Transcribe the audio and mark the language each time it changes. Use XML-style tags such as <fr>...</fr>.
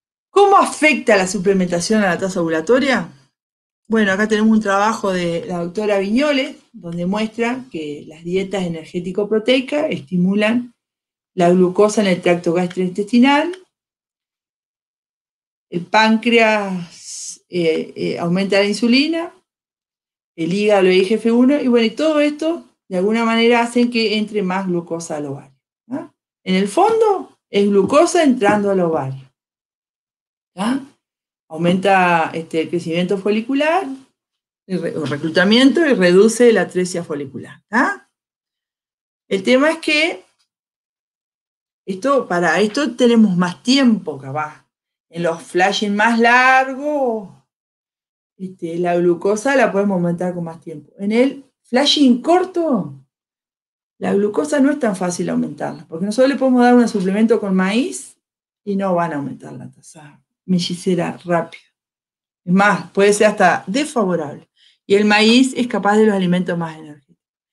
<es>¿Cómo afecta la suplementación a la tasa ovulatoria? Bueno, acá tenemos un trabajo de la doctora Viñoles, donde muestra que las dietas energético-proteicas estimulan la glucosa en el tracto gastrointestinal, el páncreas aumenta la insulina, el hígado y el IGF-1, y bueno, y todo esto de alguna manera hacen que entre más glucosa al ovario. ¿Ah? En el fondo,</es> <pt>é glucosa entrando ao ovário. Tá? Aumenta este crescimento folicular, o recrutamento, e reduz a atresia folicular. Tá? O tema é que para isto temos mais tempo, capaz. Em los flashes mais largos, a glucosa</pt> <es>la podemos aumentar</es> <pt>com mais tempo.</pt> <es>En el flashing corto, la glucosa no es tan fácil aumentarla, porque nosotros le podemos dar un suplemento con maíz y no van a aumentar la tasa mellicera rápido. Es más, puede ser hasta desfavorable. Y el maíz es capaz de los alimentos más energéticos.</es>